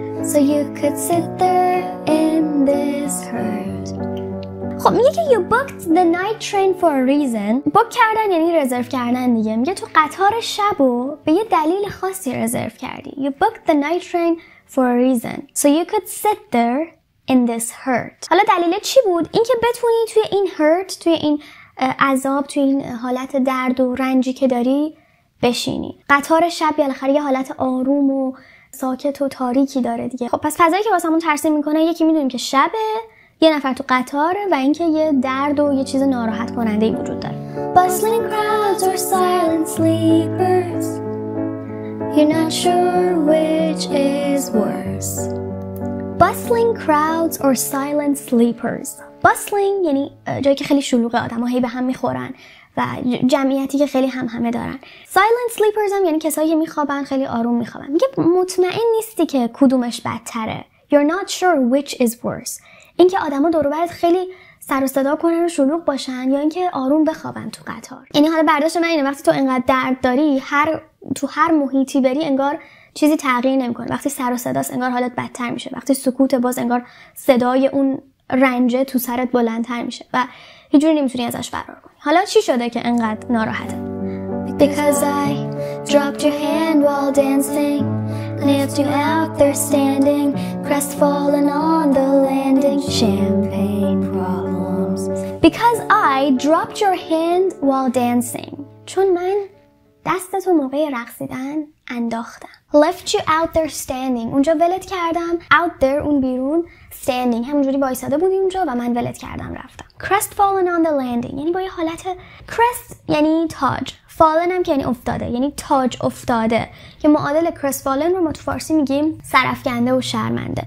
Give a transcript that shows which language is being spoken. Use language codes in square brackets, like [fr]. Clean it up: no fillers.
[en] So you could sit there in this hurt. [fa] خب میگه که [en] you booked the night train for a reason. [fa] بوک کردن یعنی رزرو کردن دیگه. میگه تو قطار شبو به یه دلیل خاصی رزرو کردی. [en] You booked the night train for a reason. So you could sit there in this hurt. [fa] حالا دلیل چی بود؟ اینکه بتونی توی این hurt، توی این عذاب، توی این حالت درد و رنجی که داری بشینی. قطار شب بالاخره یه حالت آروم و ساکت و تاریکی داره دیگه. خب پس فضایی که واسمون ترسیم میکنه، یکی میدونیم که شبه، یه نفر تو قطاره و اینکه یه درد و یه چیز ناراحت کننده ای وجود داره. [en] Bustling crowds or silent sleepers, you're not sure which is worse. Bustling crowds or silent sleepers. [fa] Bustling یعنی جایی که خیلی شلوغه، آدم ها هی به هم میخورن و جمعیتی که خیلی هم همه دارن. سایلنت سلیپرز هم یعنی کسایی که میخوابن خیلی آروم میخوابن. میگه مطمئن نیستی که کدومش بدتره. [en] You're not sure which is worse. [fa] اینکه آدما دور و برت خیلی سر و صدا کنن و شلوغ باشن یا اینکه آروم بخوابن تو قطار. یعنی حالا برداشت من اینه وقتی تو اینقدر درد داری، تو هر محیطی بری انگار چیزی تغییر نمیکنه. وقتی سر و صداست انگار حالت بدتر میشه. وقتی سکوت باز انگار صدای اون رنجه تو سرت بلندتر میشه و هیچ جوری نمیتونی ازش فرار کنی. حالا چی شده که انقدر ناراحته؟ [en] Because I dropped your hand while dancing, left you out there standing, crestfallen on the landing. Champagne problems. Because I dropped your hand while dancing. [fa] چون من دستتو موقع رقصیدن انداختم. [en] Left you out there standing. [fa] اونجا ولت کردم. [en] Out there [fa] اون بیرون. [en] Standing. [fa] همونجوری وایساده بودی اونجا و من ولت کردم رفتم. [en] Crestfallen on the landing. [fa] یعنی با یه حالت crest یعنی تاج. Fallen هم که یعنی افتاده. یعنی تاج افتاده. که معادل crestfallen رو ما تو فارسی میگیم سرفگنده و شرمنده.